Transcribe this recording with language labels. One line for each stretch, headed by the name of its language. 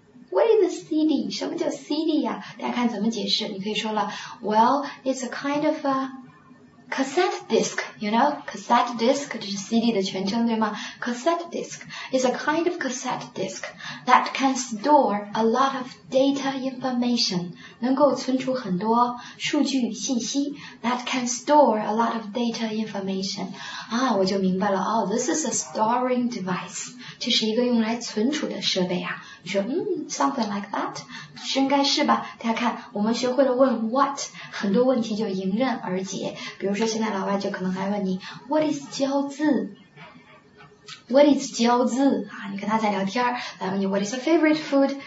English: What is a CD?
Chinese: 什么叫 CD 呀、啊？大家看怎么解释？你可以说了
English: ，Well, it's a kind of a cassette disc. You know, cassette disc
Chinese: 这是 CD 的全称，对吗
English: ？Cassette disc is a kind of cassette disc that can store a lot of data information.
Chinese: 能够存储很多数据信息。
English: That can store a lot of data information.
Chinese: 啊，我就明白了。
English: Oh, this is a storing device.
Chinese: 这是一个用来存储的设备啊。你说嗯 ,
English: something like that,
Chinese: 是应该是吧。大家看，我们学会了问 what, 很多问题就迎刃而解。比如说现在老外就可能还问你 ,what is 胶字 ?what is 胶字啊，你跟他在聊天，来问你 ,
English: what is a favorite food?